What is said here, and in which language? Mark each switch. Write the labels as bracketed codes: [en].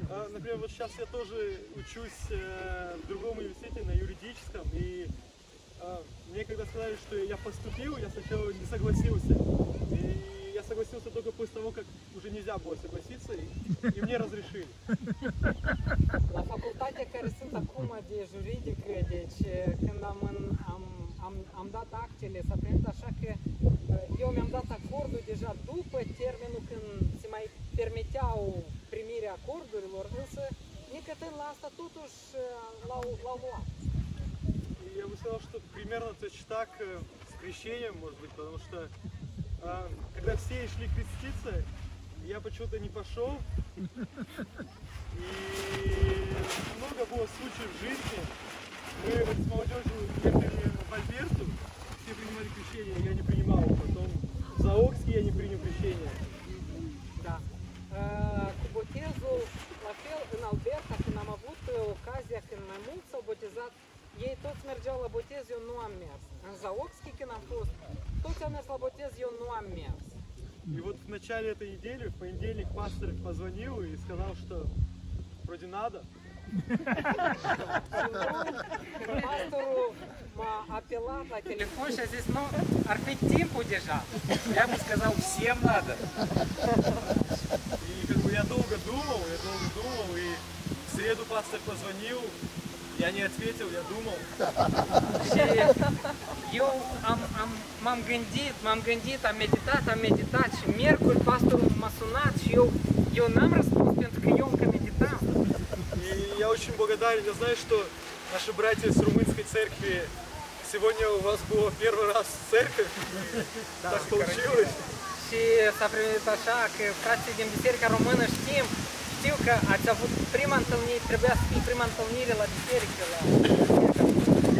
[ru] Например, вот сейчас я тоже учусь в другом университете, на юридическом, и мне когда сказали, что я поступил, я сначала не согласился. И я согласился только после того, как уже нельзя было согласиться, и мне разрешили. На факультете, который сын такума, где юридик, когда мы [ro] am dat actele, s-a primit așa că eu mi-am dat acordul deja după termenul când se mai permiteau primirea acordurilor, însă nicătând la asta totuși l-au luat. [ru] Я бы сказал, что примерно точно так с крещением, может быть, потому что когда все шли креститься, я почему-то не пошел. И много было случаев в жизни. Мы с молодежью ехали в Альберту, все принимали крещение, я не принимал, потом в Заокске я не принял крещение. Да. [ro] Cu botezul, la fel, în Alberta, când am avut ocazia, când mai mulți s-au botezat, ei toți mergeau la botez, eu nu am mers. În Заокске, când am fost, toți au mers la botez, eu nu am mers. [ru] И вот в начале этой недели, в понедельник, пастор позвонил и сказал, что вроде надо. [ro] Pastorul m-a apelat la telefon și a zis, nu, ar fi timpul deja. [ru] Я бы сказал, всем надо. И как бы я долго думал, и в среду пастор позвонил, я не ответил, я думал. [ro] Și eu m-am gândit, am meditat, și miercuri pastorul m-a sunat și eu n-am răspuns, pentru că eu încă meditam. [ru] Я очень благодарен. Я знаю, что наши братья с румынской церкви, сегодня у вас было первый раз в церкви, да, так получилось. И с определенным шагом, братья из церкви румыны, знаю, что у вас первый антолнир, требуя спи первый антолнир в церкви.